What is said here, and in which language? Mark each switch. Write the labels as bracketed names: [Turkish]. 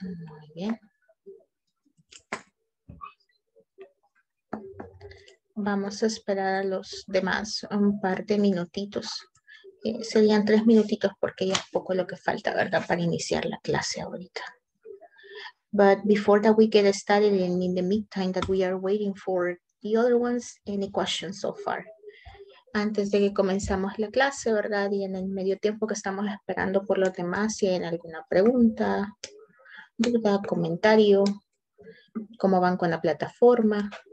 [Spanish] Muy bien. Vamos a esperar a los demás un par de minutitos. Serían 3 minutitos porque ya es poco lo que falta, ¿verdad? Para iniciar la clase ahorita. [English] But before that we get started and in the meantime that we are waiting for the other ones, any questions so far? [Spanish] Antes de que comenzamos la clase, ¿verdad? Y en el medio tiempo que estamos esperando por los demás, si hay alguna pregunta, duda, comentario, cómo van con la plataforma.